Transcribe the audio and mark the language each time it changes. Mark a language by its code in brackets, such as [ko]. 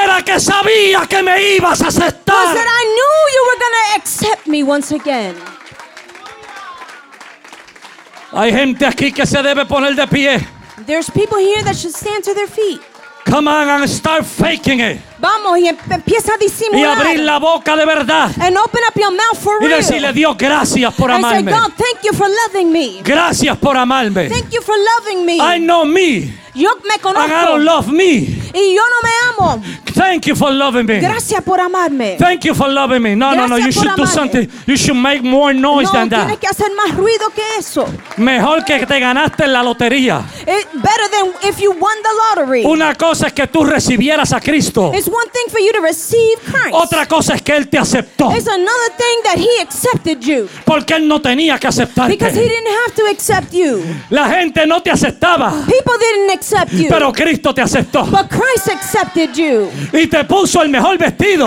[es] Era que sabía que me ibas a aceptar. [en] Was that I knew you were going to accept me once again. [es] Hay gente aquí que se debe poner de pie. [en] There's people here that should stand to their feet. Come on and start faking it. [es] Vamos y empieza a disimular. Y abrir la boca de verdad. [en] And open up your mouth for [es] y decirle Dios gracias por amarme. [en] And say, God, thank you for loving me. [es] Gracias por amarme. [en] Thank you for loving me. I know me. [es] Yo me conozco. [en] And I don't love me. [es] Y yo no me amo. [en] Thank you for loving me. [es] Gracias por amarme. [en] Thank you for loving me. No, [es] gracias [en] no, no. You should [es] amarme. [en] Do something. You should make more noise [es] no, [en] than that. [es] No, tienes que hacer más ruido que eso. Mejor que te ganaste la lotería. [en] It, better than if you won the lottery. [es] Una cosa es que tú recibieras a Cristo. [en] It's one thing for you to receive Christ. [es] Otra cosa es que él te aceptó. [en] It's another thing that he accepted you. [es] Porque él no tenía que aceptarte. [en] Because he didn't have to accept you. [es] La gente no te aceptaba. [en] People didn't accept you. [es] Pero Cristo te aceptó. [en] But Christ accepted you. [es] Y te puso el mejor vestido.